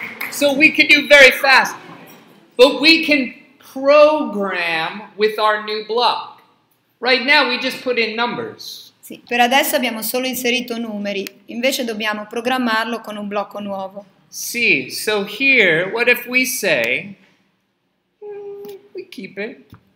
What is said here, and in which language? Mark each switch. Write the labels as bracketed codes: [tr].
[en] So we can do very fast, but we can program with our new block. Right now we just put in numbers. [it] Sì, per adesso abbiamo solo inserito numeri, invece dobbiamo programmarlo con un blocco nuovo. [en] See, so here, what if we say, we keep it.